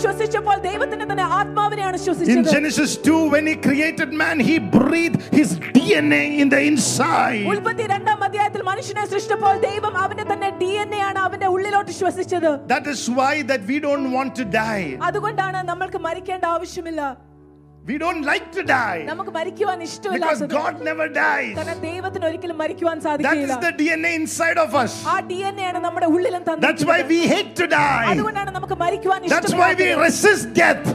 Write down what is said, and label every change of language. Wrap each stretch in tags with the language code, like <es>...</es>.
<ml>ശ്വസിച്ചപ്പോൾ ദൈവത്തിന്റെ തന്നെ ആത്മാവിനെയാണ് ശ്വസിച്ചത്.</ml> <en>In Genesis 2 when he created man he breathed his DNA in the inside.</en> <ml>ഉൽപ്പത്തി 2 അധ്യായത്തിൽ മനുഷ്യനെ സൃഷ്ടിച്ചപ്പോൾ ദൈവം അവന്റെ തന്നെ DNA ആണ് അവന്റെ ഉള്ളിലോട്ട് ശ്വസിച്ചത്.</ml> <en>That is why that we don't want to die.</en> <ml>അതുകൊണ്ടാണ് നമ്മൾക്ക് മരിക്കേണ്ട ആവശ്യമില്ല.</ml> <en>We don't like to die.</en> <ml>നമുക്ക് മരിക്കാൻ ഇഷ്ടമില്ല.</ml> <en>Because God never dies.</en> <ml>കാരണം ദൈവത്തിന് ഒരിക്കലും മരിക്കാൻ സാധിക്കില്ല.</ml> <en>That is the DNA inside of us.</en> <ml>ആ DNA ആണ് നമ്മുടെ ഉള്ളിലും തന്നത്.</ml> <en>That's why we hate to die.</en> <ml>അതുകൊണ്ടാണ് നമുക്ക് മരിക്കാൻ ഇഷ്ടമില്ല.</ml> <en>That's why we resist death.</en>